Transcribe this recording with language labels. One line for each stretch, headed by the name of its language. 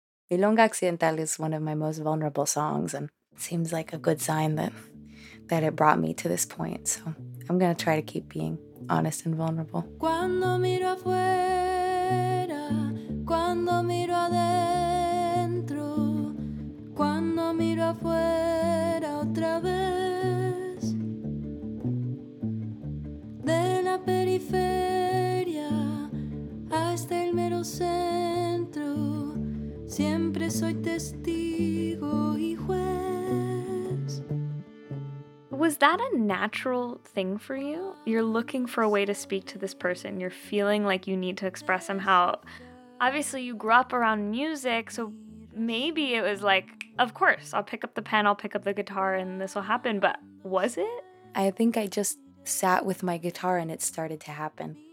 English: Milonga Occidental is one of my most vulnerable songs and seems like a good sign that it brought me to this point. So I'm going to try to keep being honest and vulnerable.
Spanish: Cuando miro afuera, cuando miro adentro, cuando miro afuera otra vez, de la periferia hasta el mero centro, siempre soy testigo y juez.
English: Was that a natural thing for you? You're looking for a way to speak to this person. You're feeling like you need to express somehow. Obviously, you grew up around music, so maybe it was like, of course, I'll pick up the pen, I'll pick up the guitar, and this will happen. But was it? I think I just sat with my guitar and it started to happen.